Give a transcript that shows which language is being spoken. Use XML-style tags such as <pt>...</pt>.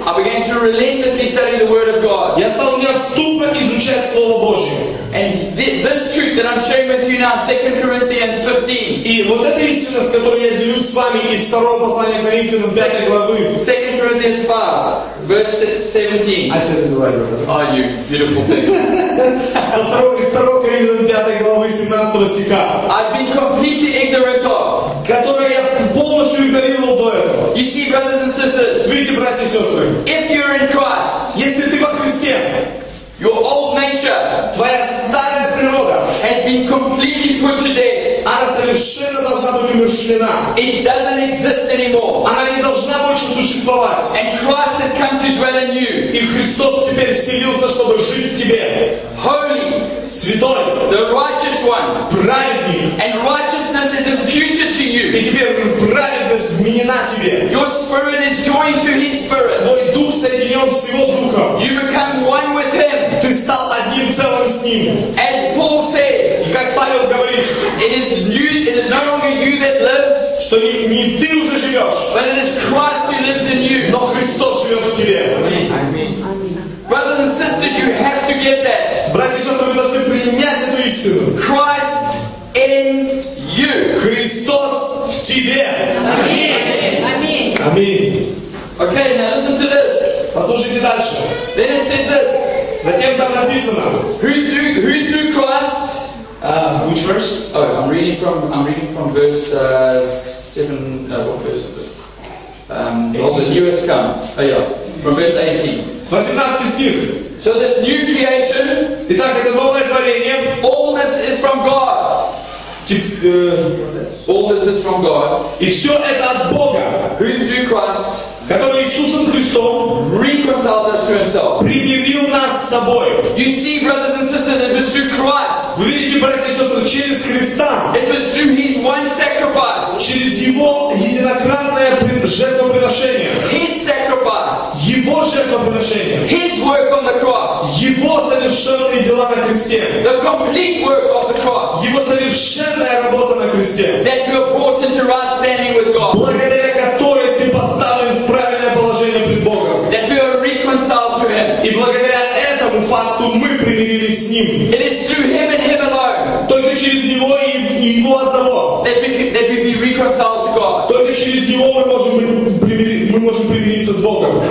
<en>I began to relentlessly study the Word of God.</en> <ru>Я стал неотступно изучать Слово Божье.</ru> <en>And this truth that I'm sharing with you now, 2 Corinthians 15.</en> <ru>И вот эта истина, с которой я делюсь с вами из второго послания Коринфянам 5 главы.</ru> <en>2 Corinthians 5, verse 17. I said it right. Are you beautiful thing?</en> <ru>Со второго из второго Коринфянам 5 главы 17 стиха.</ru> <en>I've been completely ignorant of.</en> <ru>Которое я полностью игнорировал до этого.</ru> <en>You see, brothers and sisters.</en> <ru>Видите, братья и сестры.</ru> <en>If you're in Christ.</en> <ru>Если ты во Христе.</ru> <en>Your old nature,</en> <ru>твоя старая природа,</ru> <en>has been completely put to death.</en> <ru>Она совершенно должна быть умерщвлена.</ru> <en>It doesn't exist anymore.</en> <ru>Она не должна больше существовать.</ru> <en>And Christ has come to dwell in you.</en> <ru>И Христос теперь вселился, чтобы жить в тебе.</ru> <en>Holy,</en> <ru>святой,</ru> <en>the righteous one,</en> <ru>праведный,</ru> <en>and righteousness is imputed to you.</en> <ru>И теперь праведность вменена тебе.</ru> <en>Your spirit is joined to His spirit.</en> <ru>Твой дух соединен с Его духом.</ru> <en>You become one with Him.</en> <ru>Ты стал одним целым с ним.</ru> <en>As Paul says,</en> <ru>и как Павел говорит,</ru> <en>it is no longer you that lives,</en> <ru>что не ты уже живешь,</ru> <en>but it is Christ who lives in you.</en> <ru>Но Христос живет в тебе.</ru> <en>Brothers and sisters, you have to get that.</en> <ru>Братья и сестры, вы должны принять эту истину.</ru> <en>Christ in you.</en> <ru>Христос в тебе. Аминь.</ru> <en>Okay, now listen to this.</en> <ru>Послушайте дальше.</ru> <en>Then it says this.</en> <ru>Затем там написано.</ru> <en>Who through Christ? Which verse? Oh, I'm reading from verse 7. What verse is this? The newest come. Oh yeah, from verse 18.</en> <ru>18 стих.</ru> <en>So this new creation.</en> <ru>Итак, это новое творение.</ru> <en>All this is from God. All this is from God.</en> <ru>И все это от Бога.</ru> <en>Who through Christ?</en> <ru>Который Иисусом Христом</ru> <en>reconciled us to Himself.</en> <ru>Примирил нас с собой.</ru> <en>You see, brothers and sisters, it was through Christ.</en> <ru>Вы видите, братья и сестры, через Христа.</ru> <en>It was through His one sacrifice.</en> <ru>Через Его единократное жертвоприношение.</ru> <en>His sacrifice.</en> <ru>Его жертвоприношение.</ru> <en>His work on the cross.</en> <ru>Его совершенные дела на кресте.</ru> <en>The complete work of the cross.</en> <ru>Его совершенная работа на кресте.</ru> <en>That you are brought into right standing with God.</en> <ru>Благодаря которой ты поставлен в правильное положение пред Богом.</ru> <en>That we are reconciled to Him.</en> <ru>И благодаря этому факту мы примирились с Ним.</ru> <en>It is through Him and Him alone.</en> <ru>Только через Него и Его одного.</ru> <en>That we be reconciled to God.</en> <ru>Только через Него мы можем примириться с Богом.</ru>